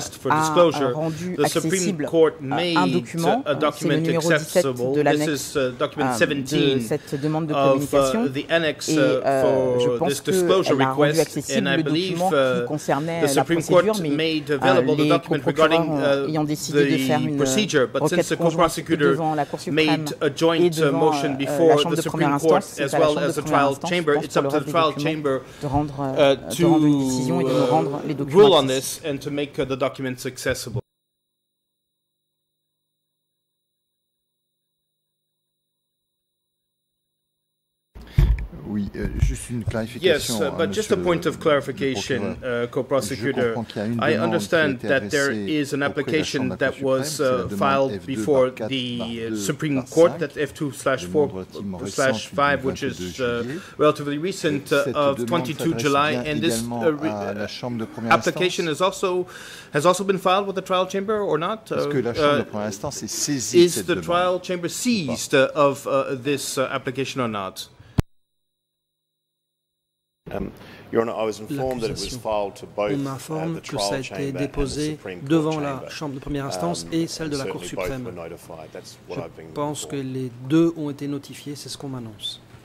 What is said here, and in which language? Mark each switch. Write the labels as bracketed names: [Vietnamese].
[French] a rendu accessible un document, document, c'est le numéro 17 de l'annexe de cette demande de communication, je pense qu'elle a rendu accessible le document qui concernait la procédure, mais les co-procureurs ayant décidé de faire une requête conjointe devant la Cour suprême [English] made a joint motion before the Supreme Court as well as the trial chamber. It's up to the trial chamber to rule on this and to make the documents accessible. [French] Oui, juste une clarification, [English] yes, but just a point of clarification, co-prosecutor. I understand that there is an application that was filed before the Supreme Court, that F2/4/5, which is relatively recent, of 22 July, and this application has also been filed with the trial chamber or not? Is the trial chamber seized of this application or not? Your Honor, I was informed that it was filed to both the trial chamber and the Supreme Court chamber. [French] Devant la chambre de première instance et celle de la Cour suprême. Je pense que les deux ont été notifiés, c'est ce qu'on m'annonce.